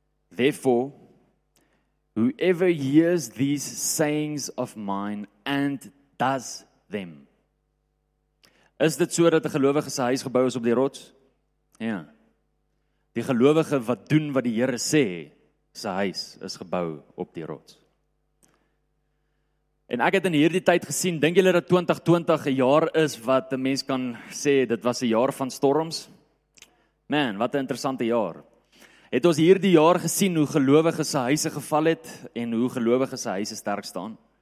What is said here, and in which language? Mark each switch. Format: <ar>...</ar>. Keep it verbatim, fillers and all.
<en>Therefore, whoever hears these sayings of mine and does them.</en> <af>Is dit so dat 'n gelowige se huis gebou is op die rots? Ja. Die gelowige wat doen wat die Here sê, sy huis is gebou op die rots. En ek het in hierdie tyd gesien, dink julle dat twintig twintig 'n jaar is wat 'n mens kan sê dit was 'n jaar van storms? Man, wat 'n interessante jaar. Het ons hierdie jaar gesien hoe gelowige se huise geval het en hoe gelowige se huise sterk staan?</af>